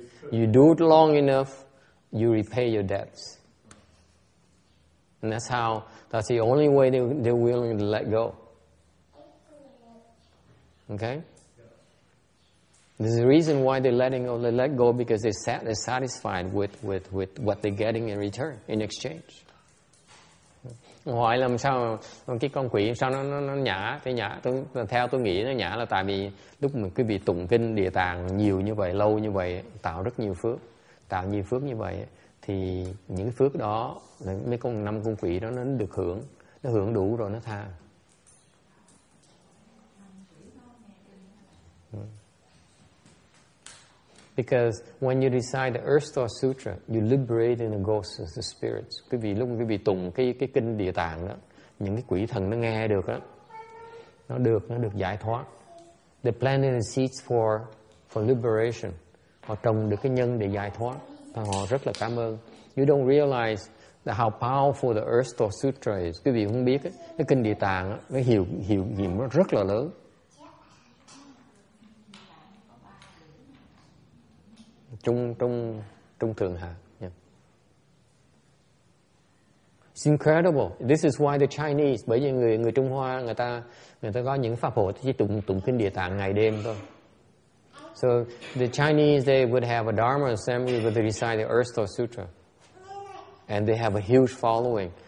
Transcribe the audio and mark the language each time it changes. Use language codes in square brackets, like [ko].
[en] You do it long enough, you repay your debts, and that's the only way they're willing to let go. Okay, there's a reason why they let go because they're satisfied with what they're getting in return, in exchange. [vi] Hỏi làm sao cái con quỷ sao nó nhả, thế nhả tôi, theo tôi nghĩ nó nhả là tại vì lúc mà quý vị tụng kinh Địa Tạng nhiều như vậy, lâu như vậy, tạo rất nhiều phước, tạo nhiều phước như vậy thì những phước đó mấy con năm con quỷ đó nó được hưởng, nó hưởng đủ rồi nó tha. [en] Because when you recite the Earth Store Sutra, you liberate the ghosts and the spirits. [vi] Quý vị lúc quý vị tụng cái kinh Địa Tạng đó, những cái quỷ thần nó nghe được á, nó được giải thoát. [en] They planted the seeds for liberation. [vi] Họ trồng được cái nhân để giải thoát và họ rất là cảm ơn. [en] You don't realize that how powerful the Earth Store Sutra is. [vi] Quý vị không biết á, cái kinh Địa Tạng á, nó hiệu nghiệm rất là lớn. Trung thượng hạ. Yeah. [en] It's incredible. This is why the Chinese, [vi] bởi vì người Trung Hoa người ta có những pháp hội chỉ tụng kinh Địa Tạng ngày đêm thôi. [en] So the Chinese, they would have a Dharma assembly where they recite the Earth Store Sutra, and they have a huge following.